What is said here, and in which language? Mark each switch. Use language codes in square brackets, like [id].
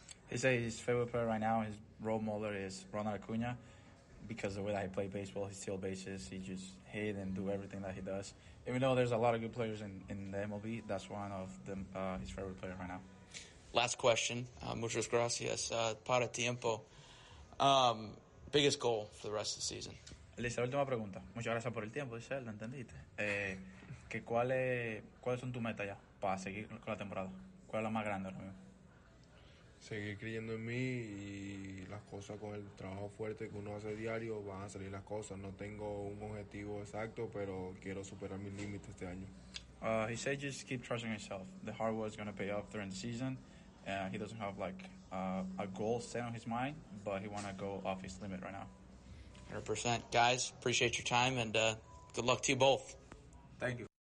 [en] He said his favorite player right now, his role model is Ronald Acuña, because the way that he plays baseball, he steals bases, he just hits and do everything that he does. Even though there's a lot of good players in the MLB, that's one of them, his favorite players right now. Last question. [es] Muchas gracias. Para tiempo. [en] Biggest goal for the rest of the season. [es] Lisa, última pregunta. Muchas gracias por el tiempo, dice él, ¿lo entendiste? ¿Cuáles son tus metas ya para seguir con la temporada? ¿Cuál es la más grande ahora mismo? Seguir creyendo en mí y las cosas con el trabajo fuerte que uno hace diario van a salir las cosas. No tengo un objetivo exacto, pero quiero superar mis límites este año. [en] He said just keep trusting yourself. The hard work is going to pay off during the season. He doesn't have like a goal set on his mind, but he wanna go off his limit right now. 100%. Guys, appreciate your time and good luck to you both. Thank you.